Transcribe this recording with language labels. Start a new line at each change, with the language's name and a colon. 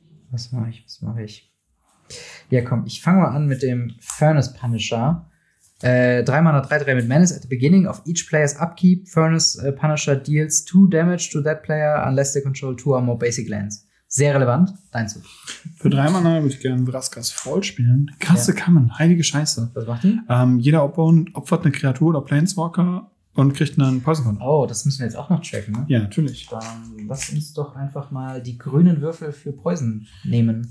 German: Was mache ich? Ja, komm, ich fange mal an mit dem Furnace Punisher. 3 Mana, 3-3 mit Menace.
English: At the beginning of each player's upkeep, Furnace Punisher deals 2 damage to that player unless they control 2 or more basic lands.
German: Sehr relevant. Dein Zug. Für 3 Mana würde ich gerne Vraskas Fall spielen. Krasse Kammern, heilige Scheiße. Was macht die? Jeder Opponent opfert eine Kreatur oder Planeswalker und kriegt einen Poison Count. Oh, das müssen wir jetzt auch noch checken, ne? Ja, natürlich. Dann lass uns doch einfach mal die grünen Würfel für Poison nehmen.